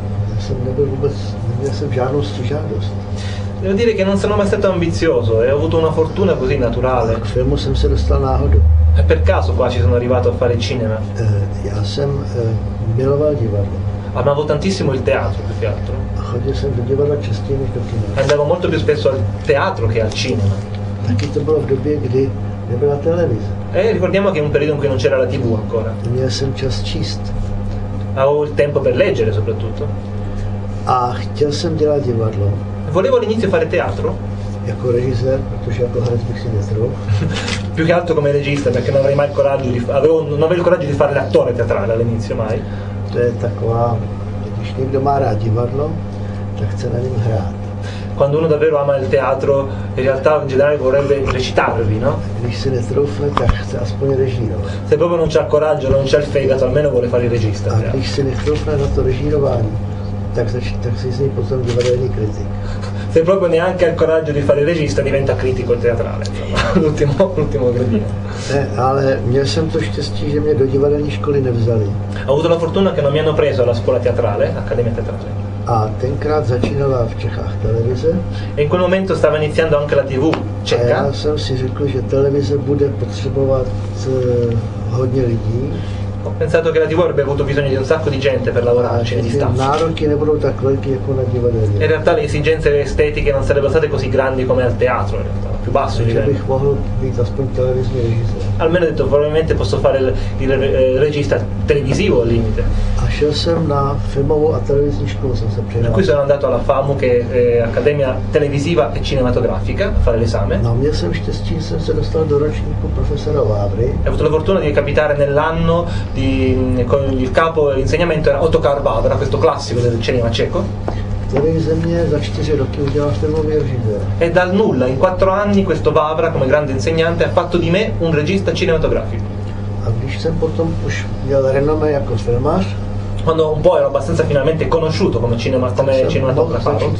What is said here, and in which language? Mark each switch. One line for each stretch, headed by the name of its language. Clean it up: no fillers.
Czech: Já jsem nebyl vůbec, neměl jsem žádnou stížnost.
Italian: Devo dire che non sono mai stato ambizioso e ho avuto una fortuna così naturale. Fermo sem se lo sta náhodou. E per caso qua ci sono arrivato a fare il cinema.
Czech: Já jsem miloval divadlo.
Italian: Amavo tantissimo il teatro, più che altro.
Czech: Chodil jsem do divadla častěji než do kina.
Italian: Andavo molto più spesso al teatro che al cinema.
Czech: Taky to bylo v době, kdy nebyla televize.
Italian: E ricordiamo che è un periodo in cui non c'era la TV ancora.
Czech: Měl jsem čas číst.
Italian: Avevo il tempo per leggere, soprattutto.
Czech: A chtěl jsem dělat divadlo.
Italian: Volevo all'inizio fare teatro?
Czech: Jako režisér, protože jako herec bych si netrvil.
Italian: Più che altro come regista, perché non avrei mai il coraggio di non avevo il coraggio di fare l'attore teatrale all'inizio mai.
Czech: To je taková, když někdo má rád divadlo, tak chce na něm hrát.
Italian: Quando uno davvero ama il teatro, in realtà in generale vorrebbe recitarvi, no?
Czech: Když si netrufne, tak chce aspoň režírovat.
Italian: Se proprio non c'ha coraggio, non c'ha il fegato, almeno vuole fare il regista.
Czech: A když si netrufne na to režírování, tak si z něj potom divadelní kritik.
Italian: Se proprio neanche ha il coraggio di fare il regista, diventa critico teatrale. L'ultimo gradino.
Czech: Ale měl jsem to štěstí, že mě do divadelní školy nevzali.
Italian: Ho avuto la fortuna che non mi hanno preso alla scuola teatrale, accademia teatrale.
Czech: A tenkrát začínala v Čechách televize.
Italian: E in quel momento stava iniziando anche la TV ceca.
Czech: A já jsem si řekl, že televize bude potřebovat hodně lidí.
Italian: Ho pensato che la TV avrebbe avuto bisogno di un sacco di gente per lavorarci e di staff.
Czech: Nároky nebudou tak velký jako na divadelní.
Italian: In realtà le esigenze estetiche non sarebbero state così grandi come al teatro, in realtà. Più basso il livello.
Czech: Bych mohl být aspoň televizní režisér.
Italian: Almeno detto, probabilmente posso fare il regista televisivo al limite.
Czech: A šel jsem na filmovou a televizní školu, jsem se přihlásil.
Italian: Da qui sono andato alla FAMU, che è Accademia Televisiva e Cinematografica, a fare l'esame.
Czech: No, měl jsem štěstí, jsem se dostal do ročníku profesora Vávry.
Italian: Ho avuto la fortuna di capitare nell'anno di con il capo insegnamento era Otokar Vávra, questo classico del cinema ceco.
Czech: Který ze mě za 4 roky udělal filmový režisér.
Italian: E dal nulla, in 4 anni questo Vávra come grande insegnante ha fatto di me un regista cinematografico.
Czech: A když jsem potom už měl renomé jako filmář,
Italian: quando un po' ero abbastanza finalmente conosciuto come cinematografo.